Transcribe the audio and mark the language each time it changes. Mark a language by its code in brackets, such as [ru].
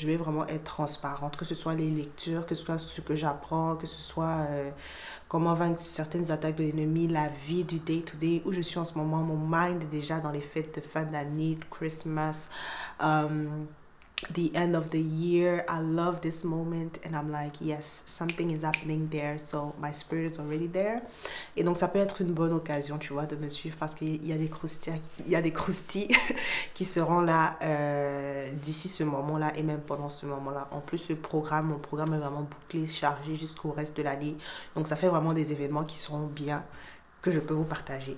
[fr] Je vais vraiment être transparente, que ce soit les lectures, que ce soit ce que j'apprends, que ce soit comment vaincre certaines attaques de l'ennemi, la vie du day-to-day, où je suis en ce moment, mon mind est déjà dans les fêtes de fin d'année, [en] Christmas, the end of the year. I love this moment and I'm like, yes, something is happening there, so my spirit is already there. [fr] Et donc, ça peut être une bonne occasion, tu vois, de me suivre parce qu'il y a des croustilles, il y a des croustilles qui seront là d'ici ce moment-là et même pendant ce moment-là. En plus, mon programme est vraiment bouclé, chargé jusqu'au reste de l'année. Donc, ça fait vraiment des événements qui seront bien, que je peux vous partager.